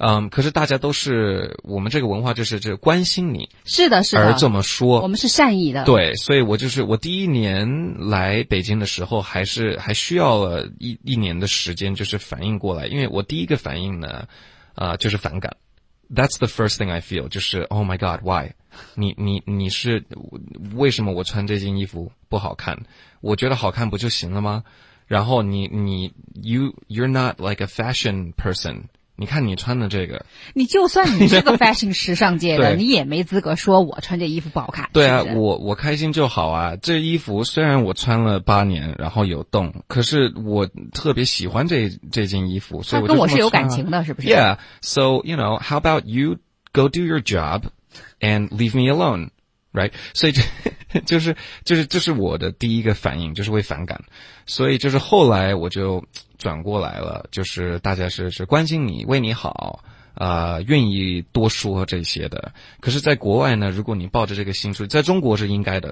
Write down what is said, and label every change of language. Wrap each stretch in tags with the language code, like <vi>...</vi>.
<zh>可是大家都是我们这个文化就是这关心你，是的，是的，而这么说，我们是善意的。对，所以我就是我第一年来北京的时候，还需要了一年的时间，就是反应过来，因为我第一个反应呢，就是反感。</zh> <en>That's the first thing I feel, 就是 Oh my God, why?</en> <zh>你是为什么我穿这件衣服不好看？我觉得好看不就行了吗？然后你</zh> <en>you're not like a fashion person.</en> <zh>你看你穿的这个，你就算你是个 fashion 时尚界的，你也没资格说我穿这衣服不好看。对啊，是不是？我开心就好啊。这衣服虽然我穿了八年，然后有洞，可是我特别喜欢这件衣服，所以我跟我是有感情的，是不是</zh> <en>？Yeah, so you know, how about you go do your job and leave me alone, right?</en> <zh>所以这是我的第一个反应，就是会反感。所以就是后来我就。转过来了，就是大家是关心你，为你好，愿意多说这些的。可是在国外呢，如果你抱着这个心出，在中国是应该的。</zh>